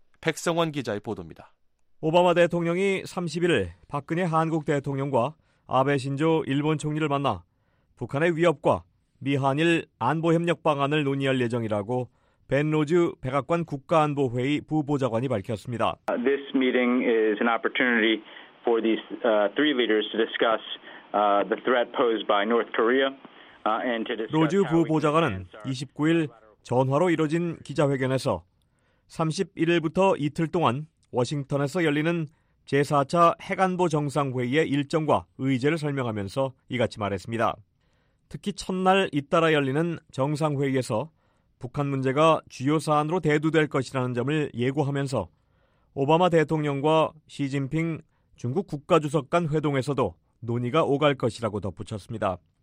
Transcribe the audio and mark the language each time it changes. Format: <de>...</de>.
<ko>백성원 기자의 보도입니다. 오바마 대통령이 31일 박근혜 한국 대통령과 아베 신조 일본 총리를 만나 북한의 위협과 미한일 안보협력 방안을 논의할 예정이라고 벤 로즈 백악관 국가안보회의 부보좌관이 밝혔습니다.</ko> <en>This meeting is an opportunity for these three leaders to discuss the threat posed by North Korea and to discuss.</en> <ko>로즈 부보좌관은 29일 전화로 이뤄진 기자회견에서 31일부터 이틀 동안 워싱턴에서 열리는 제4차 핵안보 정상회의의 일정과 의제를 설명하면서 이같이 말했습니다. 특히 첫날 잇따라 열리는 정상회의에서 북한 문제가 주요 사안으로 대두될 것이라는 점을 예고하면서 오바마 대통령과 시진핑 중국 국가주석 간 회동에서도 논의가 오갈 것이라고 덧붙였습니다.</ko>